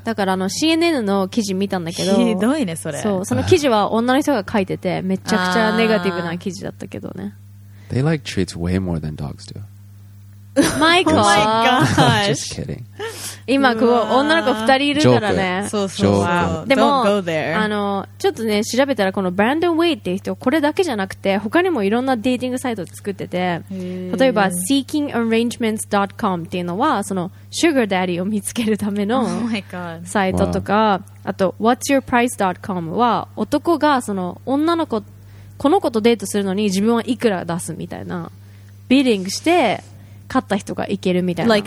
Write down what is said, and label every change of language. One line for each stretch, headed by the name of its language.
Japanese: だからあの CNN の記事見たんだけど。ひどいね、それ。そう、その記事は女の人が書いてて、めちゃくちゃネガティブな記事だったけどね。
English: They like treats way more than dogs do. Michael! Oh my gosh! Just kidding.
Japanese: 今こう女の子2人いるからね。そうそう。でも、あの、ちょっとね、調べたらこのブランドン・ウェイっていう人、これだけじゃなくて、他にもいろんなデーティングサイトを作ってて、例えば seekingarrangements.com っていうのは、その、シュガーダディを見つけるためのサイトとか、あと、whatsyourprice.com は、男がその、女の子、この子とデートするのに自分はいくら出すみたいな、ビーディングして、買った人が行けるみたいな